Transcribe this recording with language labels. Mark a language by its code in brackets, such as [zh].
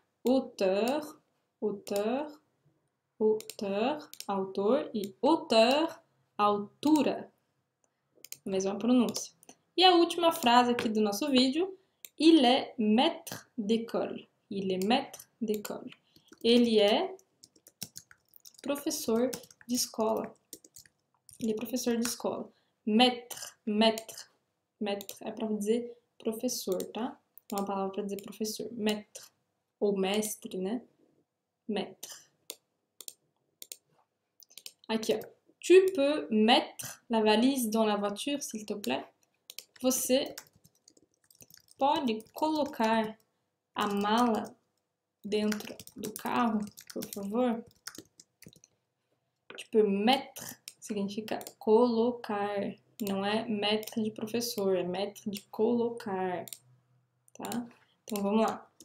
[fr] Auteur, auteur, auteur, [pt] autor. E auteur, altura. Mesma pronúncia. E a última frase aqui do nosso vídeo. [fr] Il est maître d'école. Il est maître d'école. [pt] Ele é professor de escola. Ele é professor de escola. Maître, maître. Maître é para dizer professor, tá? É uma palavra para dizer professor. Maître. Ou mestre, né? Maître. Aqui, ó. [fr] Tu peux mettre la valise dans la voiture, s'il te plaît? [pt] Você pode colocar a mala dentro do carro, por favor? Tipo, mettre significa colocar, não é mettre de professor, é mettre de colocar, tá? Então vamos lá.